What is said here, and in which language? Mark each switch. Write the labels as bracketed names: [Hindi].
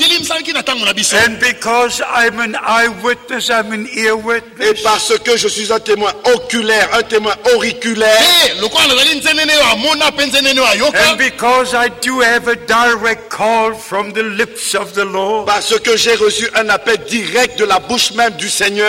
[English] And because I'm an eyewitness, I'm an ear witness. [French] Et parce que je suis un témoin oculaire, un témoin auriculaire. [English] And because I do have a direct call from the lips of the Lord. [French] Parce que j'ai reçu un appel direct de la bouche même du Seigneur.